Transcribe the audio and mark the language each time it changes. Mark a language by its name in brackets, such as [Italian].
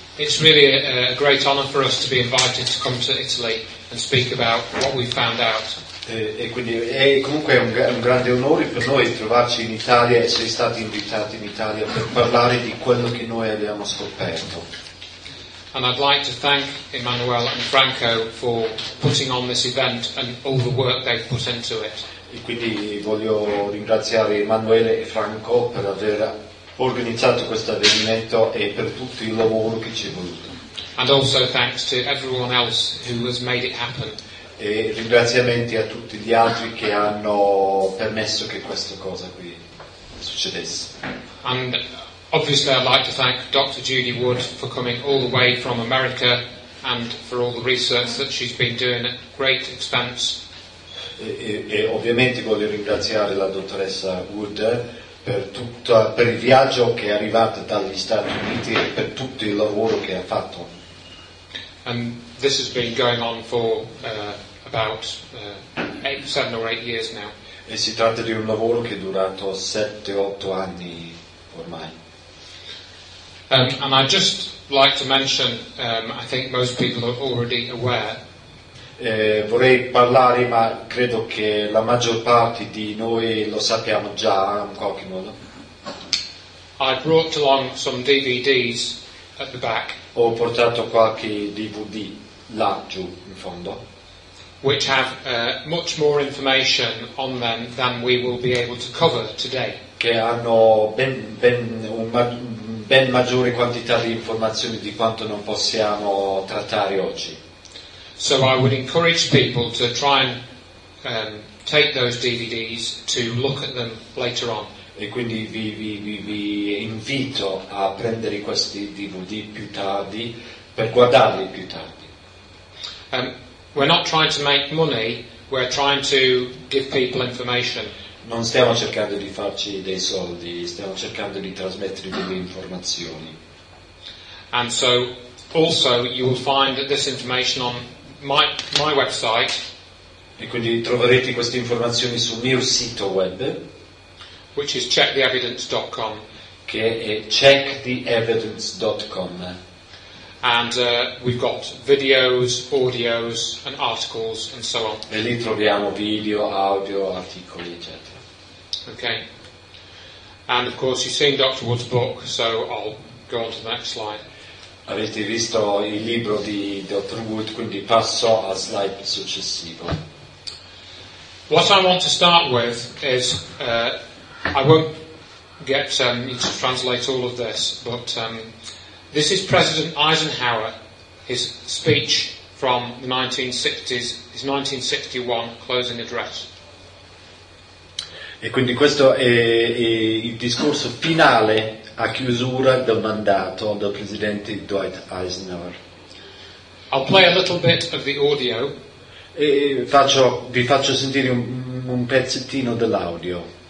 [English] It's really a great honor for us to be invited to come to Italy and speak about what we found out. [Italian] E quindi è comunque un grande onore per noi trovarci in Italia, essere stati invitati in Italia per parlare di quello che noi abbiamo scoperto. [English] And I'd like to thank Emmanuel and Franco for putting on this event and all the work they've put into it. [Italian] E quindi voglio ringraziare Emanuele e Franco per aver organizzato questo avvenimento e per tutto il lavoro che ci è voluto. [English] And also thanks to everyone else who has made it happen. [Italian] E ringraziamenti a tutti gli altri che hanno permesso che questa cosa qui succedesse. [English] And obviously I'd like to thank Dr. Judy Wood for coming all the way from America and for all the research that she's been doing at great expense. [Italian] E ovviamente voglio ringraziare la dottoressa Wood per il viaggio che è arrivata dagli Stati Uniti e per tutto il lavoro che ha fatto. [English] And this has been going on for about seven or eight years now. [Italian] E si tratta di un lavoro che è durato 7-8 anni ormai. [English] And I'd just like to mention, I think most people are already aware. [Italian] Vorrei parlare, ma credo che la maggior parte di noi lo sappiamo già in qualche modo. [English] I brought along some DVDs at the back. [Italian] Ho portato qualche DVD là giù in fondo. [English] Which have much more information on them than we will be able to cover today. [Italian] Che hanno ben maggiore quantità di informazioni di quanto non possiamo trattare oggi. [English] So I would encourage people to try and take those DVDs to look at them later on. [Italian] E quindi vi invito a prendere questi DVD più tardi per guardarli più tardi. [English] We're not trying to make money, we're trying to give people information. [Italian] Non stiamo cercando di farci dei soldi, stiamo cercando di trasmettere delle informazioni. [English] And so also you will find that this information on my website. [Italian] E quindi troverete queste informazioni sul mio sito web, [English] which is checktheevidence.com, [Italian] che è checktheevidence.com. [English] And we've got videos, audios and articles and so on. [Italian] E lì troviamo video, audio, articoli, eccetera. [English] Okay. And of course you've seen Dr. Wood's book, so I'll go on to the next slide. [Italian] Avete visto il libro di Dr. Wood, quindi passo al slide successivo. [English] What I want to start with is, I won't get you to translate all of this, but this is President Eisenhower, his speech from the 1960s, his 1961 closing address. [Italian] E quindi questo è il discorso finale a chiusura del mandato del presidente Dwight Eisenhower. [English] I'll play a little bit of the audio. [Italian] E vi faccio sentire un pezzettino dell'audio.